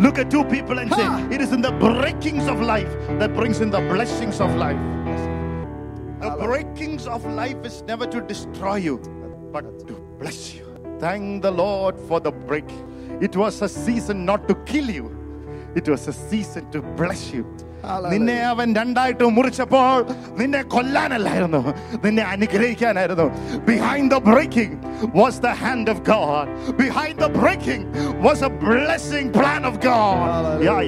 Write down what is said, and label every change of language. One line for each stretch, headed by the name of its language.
English: Look at two people and say, it is in the breakings of life that brings in the blessings of life. The breakings of life is never to destroy you, but to bless you. Thank the Lord for the break. It was a season not to kill you. It was a season to bless you.
Malayalam: നിന്നെ അവൻ രണ്ടായിട്ട് മുറിച്ചപ്പോൾ നിന്നെ കൊല്ലാനല്ലായിരുന്നു, നിന്നെ അനുഗ്രഹിക്കാനായിരുന്നു.
English: Behind the breaking was the hand of God. Behind the breaking was a blessing plan of God.